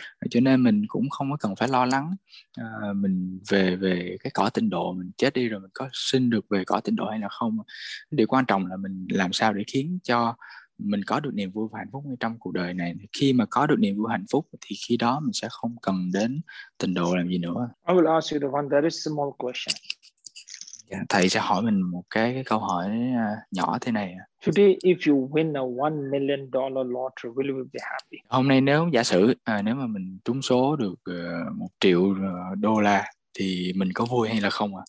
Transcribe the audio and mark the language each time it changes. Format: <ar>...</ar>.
<vi>Cho nên mình cũng không có cần phải lo lắng mình về cái cõi tịnh độ, mình chết đi rồi mình có sinh được về cõi tịnh độ hay là không. Điều quan trọng là mình làm sao để khiến cho mình có được niềm vui và hạnh phúc trong cuộc đời này. Khi mà có được niềm vui hạnh phúc thì khi đó mình sẽ không cần đến tình độ làm gì nữa.</vi> <en>I will ask you the one very small question.</en> <vi>Yeah, thầy sẽ hỏi mình một cái câu hỏi nhỏ thế này.</vi> <en>Today, if you win a $1 million lottery, will you be happy?</en> <vi>Hôm nay nếu giả sử nếu mà mình trúng số được 1 triệu đô la thì mình có vui hay là không ạ?</vi>